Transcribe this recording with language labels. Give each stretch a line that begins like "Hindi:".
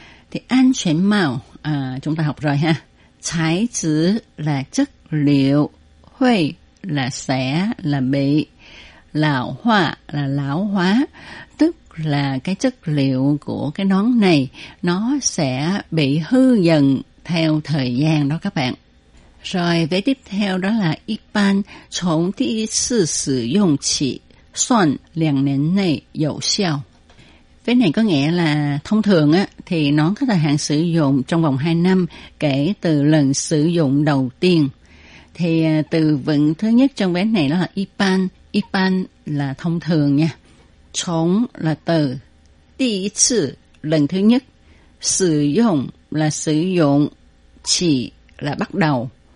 Vietnamese: Thì an toàn mạo, chúng ta học rồi ha, tài chứ là chất liệu, hội là sẽ, là bị, lão hóa là lão hóa. Tức là cái chất liệu của cái nón này, nó sẽ bị hư dần theo thời gian đó các bạn. Rồi, vế tiếp theo đó là
Chinese: 一般从第一次使用起算两年内有效。
Vietnamese: Vế này có nghĩa là thông thường á, thì nón có thời hạn sử dụng trong vòng 2 năm kể từ lần sử dụng đầu tiên. Thì từ vựng thứ nhất trong vế này đó là 一般, 一般là thông thường nha. 从 là từ, 第一次, lần thứ nhất, 使用 là sử dụng, 起 là bắt đầu.